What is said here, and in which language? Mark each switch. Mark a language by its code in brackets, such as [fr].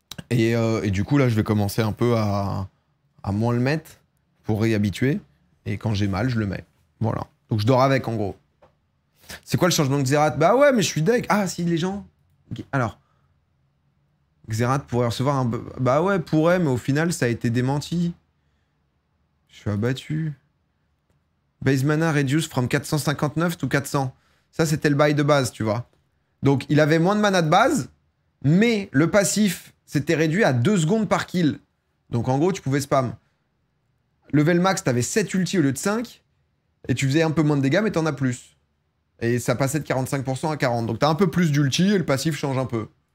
[fr] Et du coup, là, je vais commencer un peu à moins le mettre pour réhabituer. Et quand j'ai mal, je le mets. Voilà. Donc, je dors avec, en gros. C'est quoi le changement de Xerath? Bah ouais, mais je suis deck. Ah, si, les gens... Okay. Alors, Xerath pourrait recevoir un... Bah ouais, pourrait, mais au final, ça a été démenti. Je suis abattu. [en] Base mana reduced from 459 to 400. [fr] Ça, c'était le bail de base, tu vois. Donc, il avait moins de mana de base, mais le passif... C'était réduit à 2 secondes par kill. Donc en gros, tu pouvais spam. Level max, t'avais 7 ulti au lieu de 5. Et tu faisais un peu moins de dégâts, mais t'en as plus. Et ça passait de 45% à 40%. Donc t'as un peu plus d'ulti et le passif change un peu.